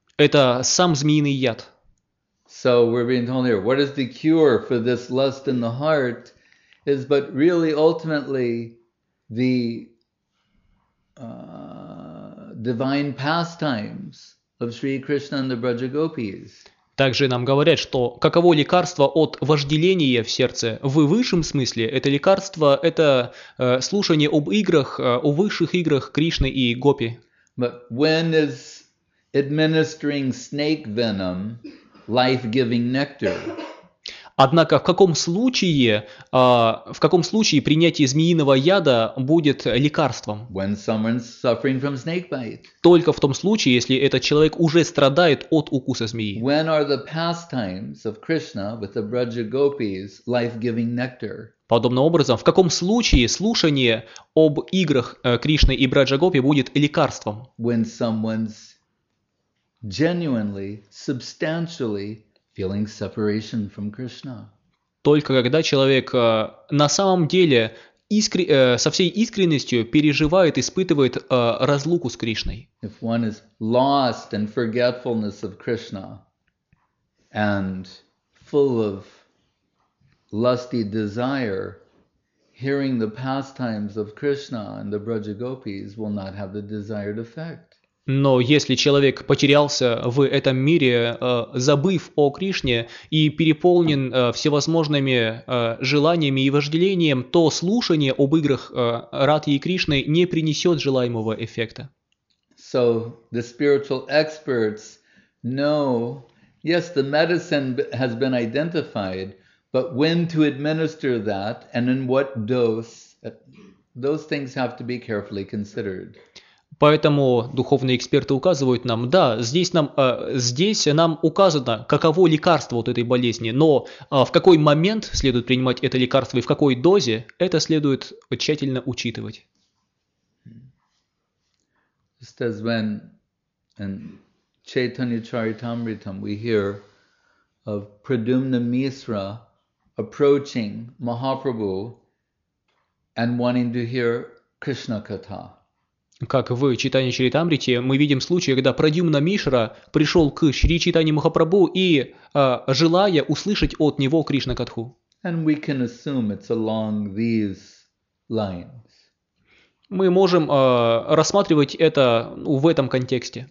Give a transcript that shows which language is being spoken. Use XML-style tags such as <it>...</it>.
<ru>Это сам змеиный яд.</ru> <en>So we're being told here, what is the cure for this lust in the heart is but really ultimately the divine pastimes of Sri Krishna and the Braja Gopis.</en> <ru>Также нам говорят, что каково лекарство от вожделения в сердце? В высшем смысле это лекарство, это слушание об играх, о высших играх Кришны и Гопи.</ru> <en>But when is administering snake venom life-giving nectar?</en> <ru>Однако в каком случае принятие змеиного яда будет лекарством?</ru> <en>When someone's suffering from snake bite.</en> <ru>Только в том случае, если этот человек уже страдает от укуса змеи.</ru> <en>When are the pastimes of Krishna with the Braja Gopis life-giving nectar?</en> <ru>Подобным образом, в каком случае слушание об играх Кришны и Браджа Гопи будет лекарством?</ru> <en>When someone's genuinely, substantially feeling separation from Krishna.</en> <ru>Только когда человек на самом деле со всей искренностью переживает, испытывает разлуку с Кришной.</ru> <en>If one is lost in forgetfulness of Krishna and full of lusty desire, hearing the pastimes of Krishna and the Braja Gopis will not have the desired effect.</en> <ru>Но если человек потерялся в этом мире, забыв о Кришне и переполнен всевозможными желаниями и вожделением, то слушание об играх Радхи и Кришны не принесет желаемого эффекта.</ru> <en>So the spiritual experts know, yes, the medicine has been identified, but when to administer that and in what dose, those things have to be carefully considered.</en> <ru>Поэтому духовные эксперты указывают нам, да, здесь нам указано, каково лекарство от этой болезни, но в какой момент следует принимать это лекарство и в какой дозе, это следует тщательно учитывать.</ru> <en>Just as when in Chaitanya Charitamritam we hear of Pradyumna Misra approaching Mahaprabhu and wanting to hear Krishna Katha.</en> <ru>Как в читании Чаритамрити мы видим случай, когда Прадюмна Мишра пришел к Шри Чайтанье Махапрабху и желая услышать от него Кришна Катху.</ru> <en>And we can assume it's along these lines.</en> <ru>Мы можем рассматривать это в этом контексте.</ru>